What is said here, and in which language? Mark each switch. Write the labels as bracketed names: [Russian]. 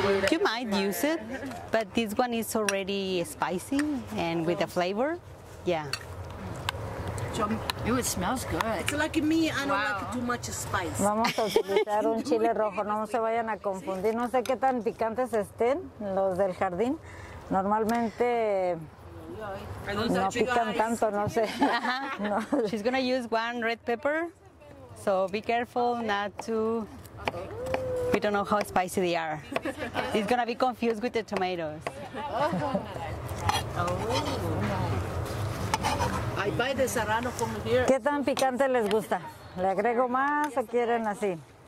[English] You might use it, but this one is already spicy and with a flavor. Yeah. Ooh, it smells good. It's like me, I don't like too much spice. [Spanish] Vamos a utilizar un chile rojo, no se vayan a confundir. No sé qué tan picantes estén los del jardín. Normalmente no pican tanto, no sé. [English] She's going to use one red pepper, so be careful not to... We don't know how spicy they are. It's going to be confused with the tomatoes. I buy the serrano from here. [Spanish] ¿Qué tan picante les gusta? ¿Le agrego más o quieren así?